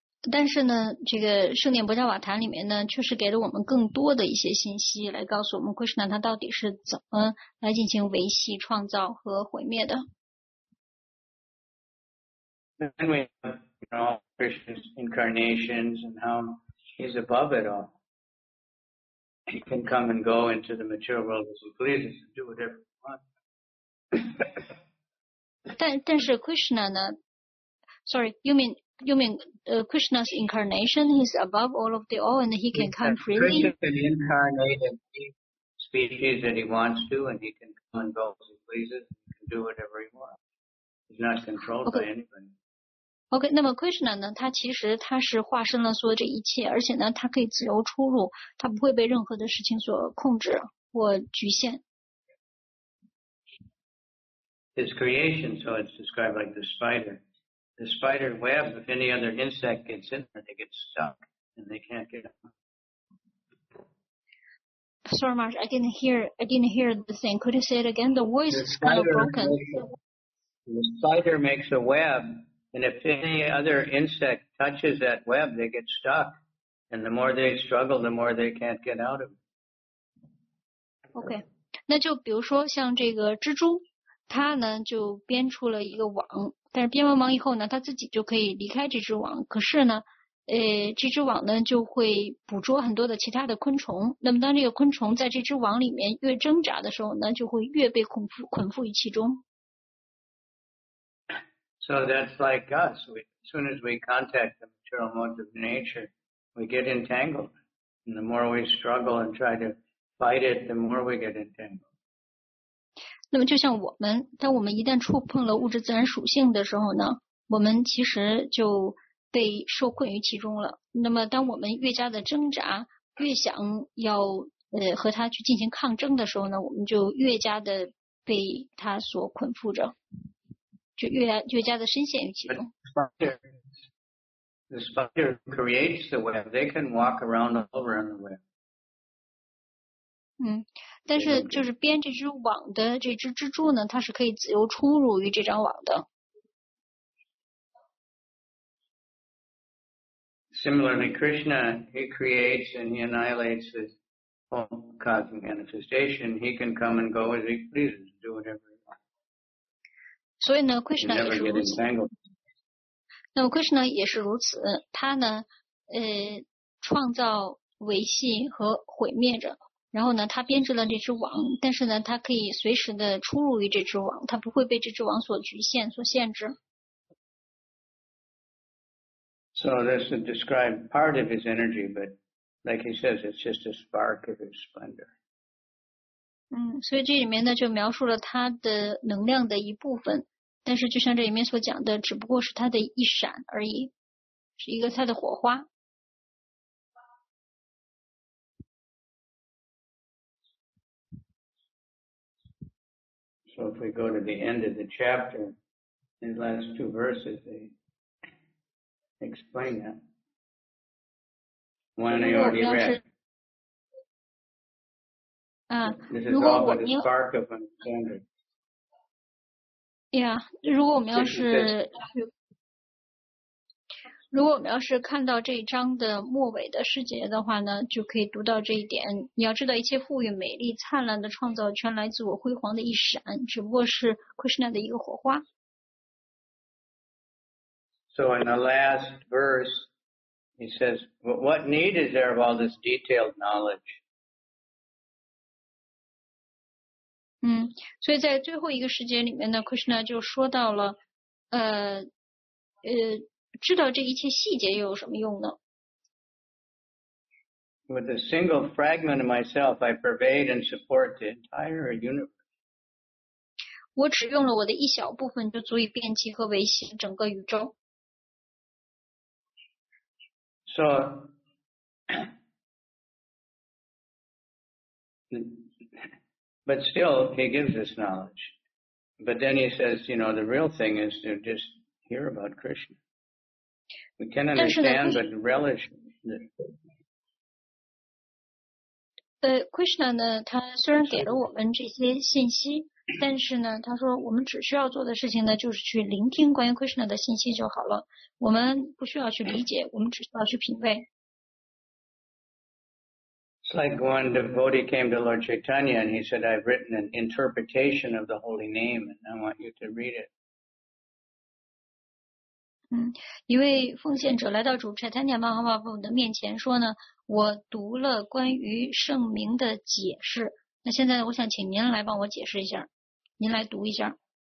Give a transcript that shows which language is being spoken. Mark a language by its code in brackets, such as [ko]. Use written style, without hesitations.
[zh] 但是呢，这个圣典薄伽瓦坛里面呢，确实给了我们更多的一些信息，来告诉我们 Krishna 他到底是怎么来进行维系、创造和毁灭的。 [en] And we know Krishna's incarnations and how he's above it all. He can come and go into the material world as he pleases and do whatever he wants. [zh] 但是 Krishna 呢 [en] ？Sorry, you mean Krishna's incarnation? He's above all of the all, and he can come freely. Krishna can incarnate in any species that he wants to, and he can come and go as he pleases. He can do whatever he wants. He's not controlled by anybody. [zh] OK， 那么 Krishna 呢？他其实他是化身了所有这一切，而且呢，他可以自由出入，他不会被任何的事情所控制或局限。 [en] His creation, so it's described like the spider. The spider web, if any other insect gets in there, they get stuck and they can't get out. Sorry, Marsh, I didn't hear the thing. Could you say it again? The voice is kind of broken. The spider makes a web. And if any other insect touches that web, they get stuck. And the more they struggle, the more they can't get out of it. Okay. [zh] 那就比如说像这个蜘蛛，它呢就编出了一个网，但是编完网以后呢，它自己就可以离开这只网。可是呢，这只网呢就会捕捉很多的其他的昆虫。那么当这个昆虫在这只网里面越挣扎的时候呢，就会越被捆缚于其中。 [en] So that's like us. As soon as we contact the material modes of nature, we get entangled. And the more we struggle and try to fight it, the more we get entangled. [zh] 那么就像我们，当我们一旦触碰了物质自然属性的时候呢，我们其实就被受困于其中了。那么当我们越加的挣扎，越想要和它去进行抗争的时候呢，我们就越加的被它所捆缚着。就越加的深陷于其中。 [en] The spider creates the web. They can walk around all around the web. [zh] 但是就是编这只网的这只蜘蛛呢，它是可以自由出入于这张网的。 [en] Similarly, Krishna, he creates and he annihilates his own cosmic manifestation. He can come and go as he pleases, do whatever. [zh] 所以呢 ，Krishna 也是如此。那么 Krishna 也是如此，他呢，创造、维系和毁灭着。然后呢，他编织了这只网，但是呢，他可以随时的出入于这只网，他不会被这只网所局限、所限制。 [en] So this is described part of his energy, but like he says, it's just a spark of his splendor. [zh] 所以这里面呢，就描述了他的能量的一部分。但是就像这里面所讲的，只不过是它的一闪而已，是一个它的火花。 [en] So if we go to the end of the chapter, in the last two verses, they explain that. One I already read. This is all but a spark of understanding. [zh] 如果我们要是看到这一章的末尾的世界的话呢，就可以读到这一点。你要知道，一切富裕、美丽、灿烂的创造，全来自我辉煌的一闪，只不过是 Krishna 的一个火花。 [en] So in the last verse, he says, "What need is there of all this detailed knowledge?" [zh] 所以在最后一个时间里面呢 ，Krishna 就说到了，知道这一切细节又有什么用呢 [en] ？With a single fragment of myself, I pervade and support the entire universe. [zh] 我只用了我的一小部分，就足以遍及和维系整个宇宙。 [en] So. But still, he gives this knowledge. But then he says, you know, the real thing is to just hear about Krishna. We can't understand, but relish. [zh] Krishna 呢，他虽然给了我们这些信息，但是呢，他说我们只需要做的事情呢，就是去聆听关于 Krishna 的信息就好了。我们不需要去理解，我们只需要去品味。 [en] It's like one devotee came to Lord Chaitanya and he said, I've written an interpretation of the holy name and I want you to read it. [zh] 一位奉献者来到主 Chaitanya Mahaprabhu 的面前说呢，我读了关于圣名的解释，那现在我想请您来帮我解释一下。您来读一下。